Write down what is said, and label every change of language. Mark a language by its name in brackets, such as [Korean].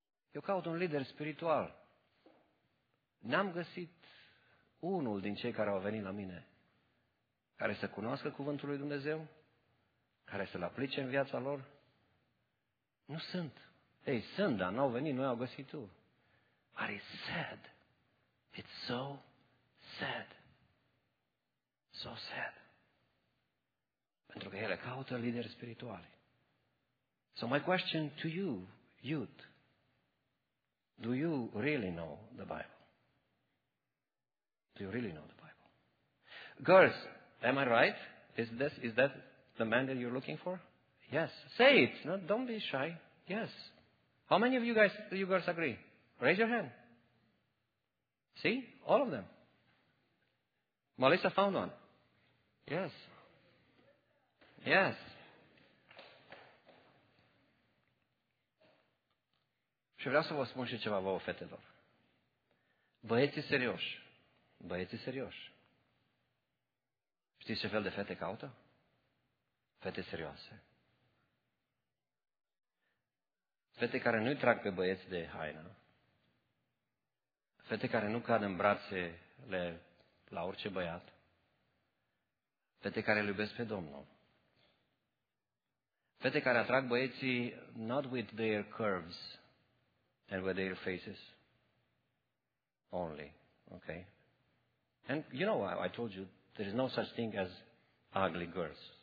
[Romanian] Eu caut un lider spiritual. N-am găsit unul din cei care au venit la mine care să cunoască cuvântul lui Dumnezeu, care să-l aplice în viața lor? Nu sunt. Ei, sunt, dar n-au venit, noi au găsit tu. [English] But it's sad. It's so sad. So sad. [Romanian] Pentru că ele caută lideri spirituali. [English] So my question to you, youth, do you really know the Bible? Do you really know the Bible? Girls, am I right? Is that the man that you're looking for? Yes. Say it. No, don't be shy. Yes. How many of you guys, you girls agree? Raise your hand. See? All of them. Melissa found one. Yes. Yes. [Romanian] Și vreau să vă spun și ceva vouă, fetelor. Băieții serioși. Știți ce fel de fete caută? Fete serioase. Fete care nu-i trag pe băieți de haină. Fete care nu cad în brațele la orice băiat. Fete care îl iubesc pe Domnul. Fete care atrag băieții [English] not with their curves and with their faces only. Okay? And you know, I told you, there is no such thing as ugly girls.